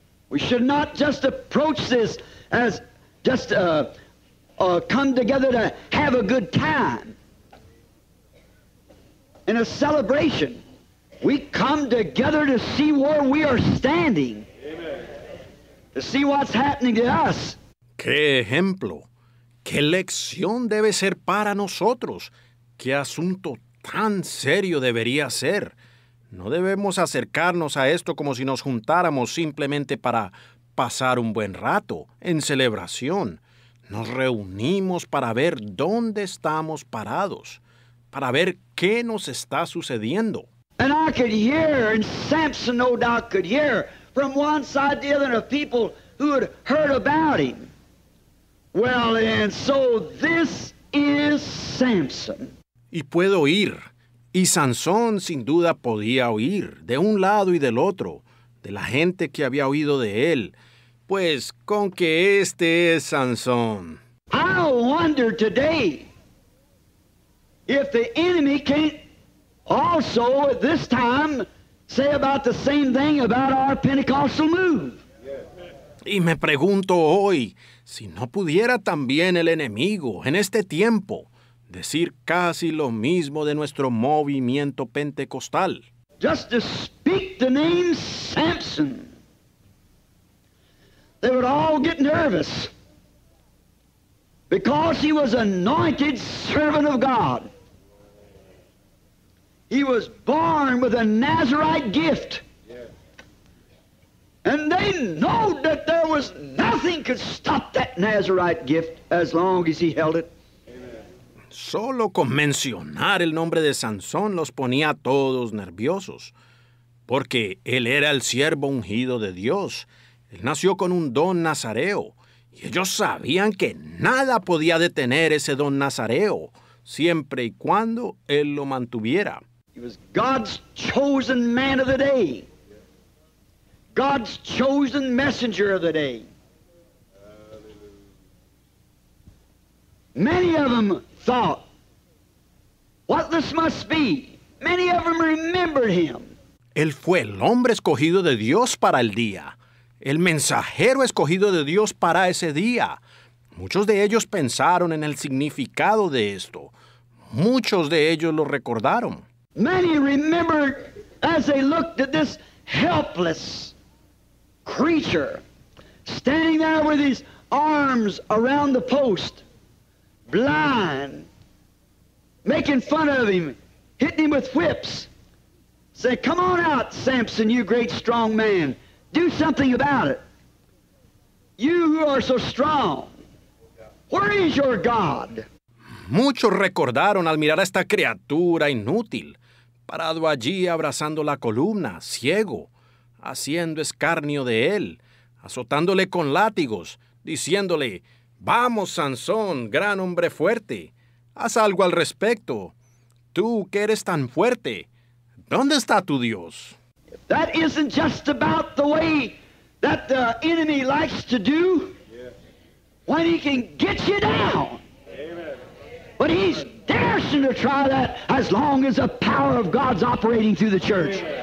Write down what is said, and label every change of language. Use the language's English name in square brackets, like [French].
[English] We should not just approach this as just come together to have a good time. In a celebration, we come together to see where we are standing. Amen. To see what's happening to us. [Spanish] ¡Qué ejemplo! ¡Qué lección debe ser para nosotros! ¡Qué asunto tan serio debería ser! No debemos acercarnos a esto como si nos juntáramos simplemente para pasar un buen rato en celebración. Nos reunimos para ver dónde estamos parados, para ver qué nos está sucediendo. [English] And I could hear, and Samson no doubt could hear, from one side to the other of people who had heard about him. Well, and so this is Samson. [Spanish] Y puedo oír, y Sansón sin duda podía oír, de un lado y del otro, de la gente que había oído de él. Pues, con que este es Sansón. [English] I wonder today if the enemy can't also at this time say about the same thing about our Pentecostal move. [Spanish] Y me pregunto hoy, si no pudiera también el enemigo en este tiempo decir casi lo mismo de nuestro movimiento pentecostal. [English] Just to speak the name Samson, they would all get nervous because he was anointed servant of God. He was born with a Nazarite gift. And they know that there was nothing could stop that Nazarite gift as long as he held it. [Spanish] Solo con mencionar el nombre de Sansón los ponía a todos nerviosos, porque él era el siervo ungido de Dios. Él nació con un don nazareo, y ellos sabían que nada podía detener ese don nazareo, siempre y cuando él lo mantuviera. [English] He was God's chosen man of the day. God's chosen messenger of the day. Many of them thought, what this must be. Many of them remembered him. [Spanish] Él fue el hombre escogido de Dios para el día, el mensajero escogido de Dios para ese día. Muchos de ellos pensaron en el significado de esto. Muchos de ellos lo recordaron. [English] Many remembered as they looked at this helpless creature standing there with his arms around the post, blind, making fun of him, hitting him with whips, say, come on out, Samson, you great strong man, do something about it. You who are so strong, where is your God? [Spanish] Muchos recordaron al mirar a esta criatura inútil, parado allí abrazando la columna, ciego, haciendo escarnio de él, azotándole con látigos, diciéndole, vamos, Sansón, gran hombre fuerte, haz algo al respecto. Tú que eres tan fuerte, ¿dónde está tu Dios? [English] That isn't just about the way that the enemy likes to do when he can get you down. But he's daring to try that as long as the power of God's operating through the church.